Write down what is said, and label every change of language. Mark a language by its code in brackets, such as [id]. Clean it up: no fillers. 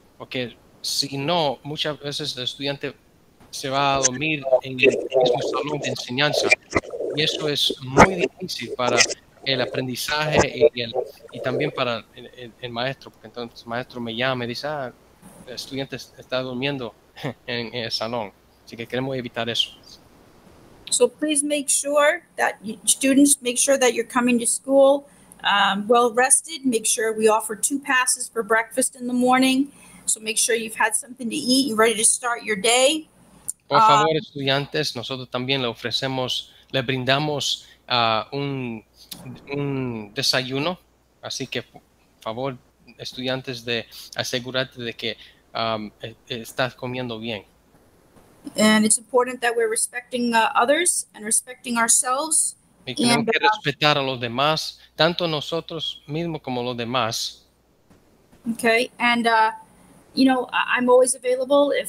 [es] Porque si no, muchas veces el estudiante se va a dormir en el mismo salón de enseñanza. Y eso es muy difícil para el aprendizaje y también para el maestro. Porque entonces el maestro me llama y dice, el estudiante está durmiendo en el salón. Así que queremos evitar eso. [en] So please make sure that students, make sure that you're coming to school well rested. Make sure we offer 2 passes for breakfast in the morning. So make sure you've had something to eat. You're ready to start your day. [es] Por favor, estudiantes, nosotros también le ofrecemos, le brindamos un desayuno. Así que, por favor, estudiantes, de asegurarte de que estás comiendo bien. [en] And it's important that we're respecting others and respecting ourselves. [es] Y tenemos que respetar a los demás, tanto nosotros mismos como los demás. [en] Okay, and, you know, I'm always available if...